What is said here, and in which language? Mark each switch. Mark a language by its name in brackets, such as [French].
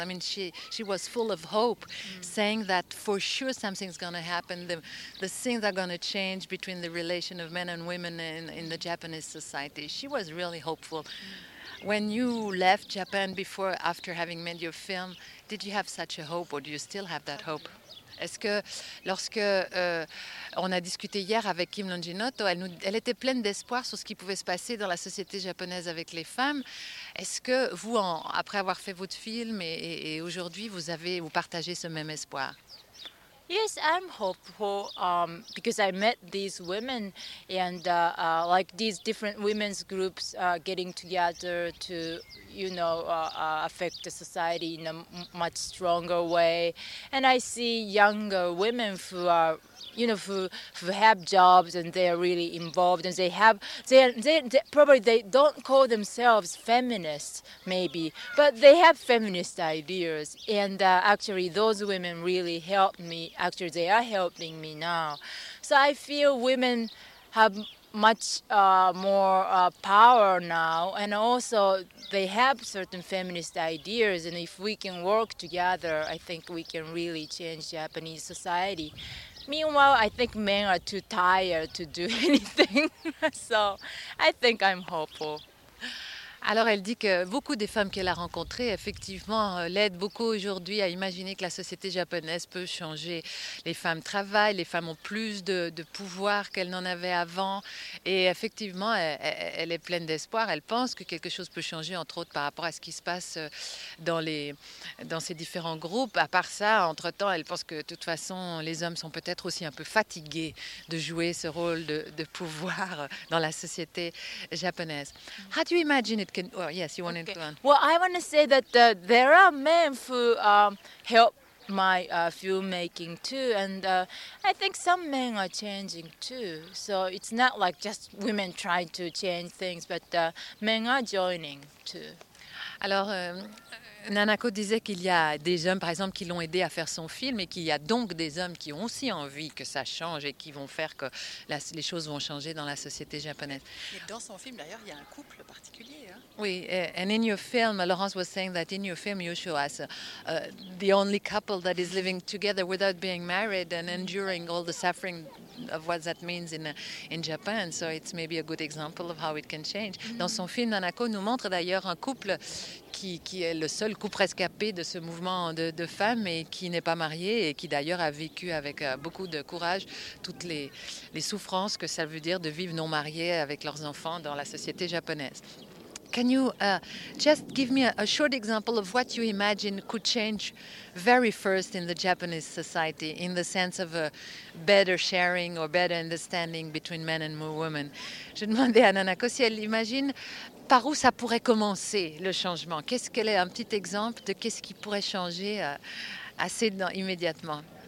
[English] I mean, she was full of hope, saying that for sure something's going to happen. The things are going to change between the relation of men and women in the Japanese society. She was really hopeful. When you left Japan before, after having made your film, did you have such a hope, or do you still have that hope? [French] Est-ce que lorsque on a discuté hier avec Kim Longinotto, elle était pleine d'espoir sur ce qui pouvait se passer dans la société japonaise avec les femmes. Est-ce que vous, après avoir fait votre film et aujourd'hui, vous partagez ce même espoir? [English] Yes, I'm hopeful because I met these women and like these different women's groups getting together to, you know, affect the society in a much stronger way. And I see younger women who are, you know, who have jobs and they are really involved, and they probably they don't call themselves feminists, maybe, but they have feminist ideas. And actually, those women really helped me. Actually, they are helping me now. So I feel women have much more power now, and also they have certain feminist ideas. And if we can work together, I think we can really change Japanese society. Meanwhile, I think men are too tired to do anything. So, I think I'm hopeful. [French] Alors, elle dit que beaucoup des femmes qu'elle a rencontrées, effectivement, l'aident beaucoup aujourd'hui à imaginer que la société japonaise peut changer. Les femmes travaillent, les femmes ont plus de pouvoir qu'elles n'en avaient avant. Et effectivement, elle est pleine d'espoir. Elle pense que quelque chose peut changer, entre autres, par rapport à ce qui se passe dans ces différents groupes. À part ça, entre-temps, elle pense que, de toute façon, les hommes sont peut-être aussi un peu fatigués de jouer ce rôle de pouvoir dans la société japonaise. [English] How do you imagine? I want to say that there are men who help my filmmaking too, and I think some men are changing too. So it's not like just women trying to change things, but men are joining too. [French] Alors, Nanako disait qu'il y a des hommes, par exemple, qui l'ont aidé à faire son film et qu'il y a donc des hommes qui ont aussi envie que ça change et qui vont faire que les choses vont changer dans la société japonaise. Et dans son film, d'ailleurs, il y a un couple particulier. Hein? Oui, [English] and in your film, Laurence was saying that in your film, you show us the only couple that is living together without being married and enduring all the suffering of what that means in Japan. So it's maybe a good example of how it can change. Mm-hmm. [French] Dans son film, Nanako nous montre d'ailleurs un couple qui est le seul couple rescapé de ce mouvement de femmes et qui n'est pas marié et qui d'ailleurs a vécu avec beaucoup de courage toutes les souffrances que ça veut dire de vivre non marié avec leurs enfants dans la société japonaise. [English] Can you just give me a short example of what you imagine could change very first in the Japanese society in the sense of a better sharing or better understanding between men and women? [French] Je demandais à Nanako si elle imagine par où ça pourrait commencer le changement. Qu'est-ce qu'elle est un petit exemple de qu'est-ce qui pourrait changer assez immédiatement?